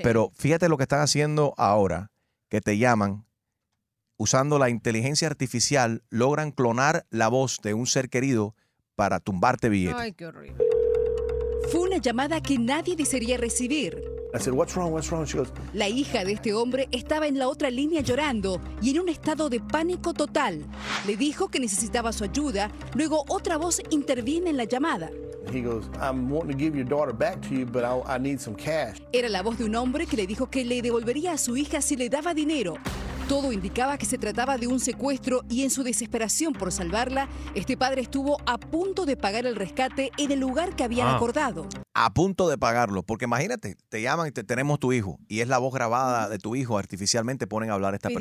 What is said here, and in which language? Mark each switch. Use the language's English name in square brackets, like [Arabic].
[Spanish] Pero fíjate lo que están haciendo ahora, que te llaman usando la inteligencia artificial, logran clonar la voz de un ser querido para tumbarte billete. Ay, qué horrible. Fue una llamada que nadie desearía recibir. [English] I said, what's wrong, what's wrong? She goes, [Spanish] la hija de este hombre estaba en la otra línea llorando y en un estado de pánico total. Le dijo que necesitaba su ayuda. Luego otra voz interviene en la llamada. [English] He goes, I'm wanting to give your daughter back to you, but I need some cash. [Spanish] Era la voz de un hombre que le dijo que le devolvería a su hija si le daba dinero. Todo indicaba que se trataba de un secuestro y en su desesperación por salvarla, este padre estuvo a punto de pagar el rescate en el lugar que habían acordado. A punto de pagarlo, porque imagínate, te llaman y tenemos tu hijo y es la voz grabada de tu hijo, artificialmente ponen a hablar a esta